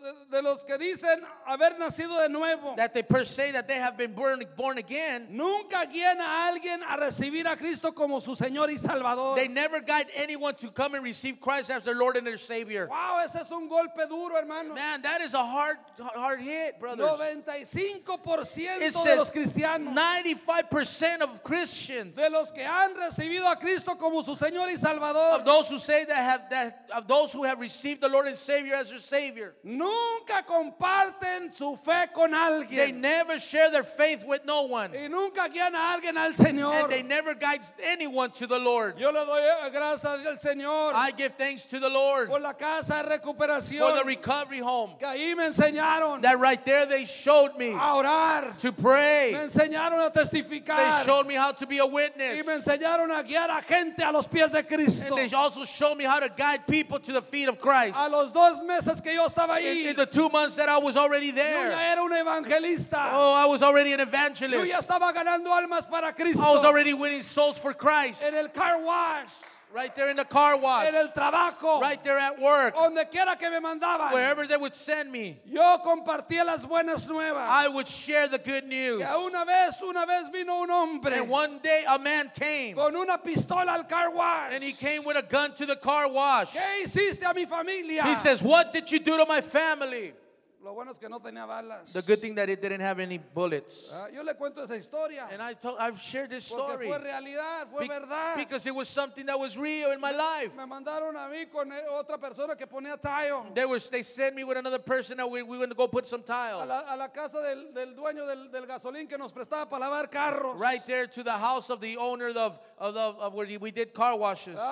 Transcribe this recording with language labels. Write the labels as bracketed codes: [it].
[es] De los que dicen haber nacido de nuevo. [en] That they per se that they have been born again. [es] Nunca guían a alguien a recibir a Cristo como su Señor y Salvador. [en] They never guide anyone to come and receive Christ as their Lord and their Savior. [es] Wow, ese es un golpe duro, hermanos. [en] Man, that is a hard hit, brothers. [es] 95% de los cristianos. [en] 95% of Christians. [es] De los que han recibido a Cristo como su Señor y Salvador. [en] Of those who say of those who have received the Lord and Savior as their Savior. [es] Nunca comparten su fe con alguien. [en] They never share their faith with no one. [es] Y nunca guían a alguien al Señor. [en] And they never guide anyone to the Lord. [es] Yo le doy gracias al Señor. [en] I give thanks to the Lord. [es] Por la casa de recuperación. [en] For the recovery home. [es] Que ahí me enseñaron. [en] That right there they showed me. [es] A orar. [en] To pray. [es] Me enseñaron a testificar. [en] They showed me how to be a witness. [es] Y me enseñaron a guiar a gente a los pies de Cristo. [en] And they also showed me how to guide people to the feet of Christ. [es] A los dos meses que yo estaba ahí. [en] In the 2 months that I was already there. [es] Yo ya era un evangelista. [en] Oh, I was already an evangelist. [es] Yo ya estaba ganando almas para Cristo. [en] I was already winning souls for Christ. [es] En el car wash. [en] Right there in the car wash. [es] En el trabajo. [en] Right there at work. [es] Donde quiera que me mandaban. [en] Wherever they would send me. [es] Yo compartía las buenas nuevas. [en] I would share the good news. [es] Que una vez vino un hombre. [en] And one day a man came. [es] Con una pistola al car wash. [en] And he came with a gun to the car wash. [es] ¿Qué hiciste a mi familia? [en] He says, "What did you do to my family?" [es] Lo bueno es que no tenía balas. [en] The good thing that it didn't have any bullets. [es] Yo le cuento esa historia. [en] And I've shared this story. [es] Porque fue realidad, fue verdad. [en] Because it was something that was real in my life. [es] Me mandaron a mí con otra persona que ponía tiles. [en] They sent me with another person that we were going to go put some tiles. [es] A la casa del dueño del gasolín que nos prestaba para lavar carros. [en] Right there to the house of the owner of where we did car washes.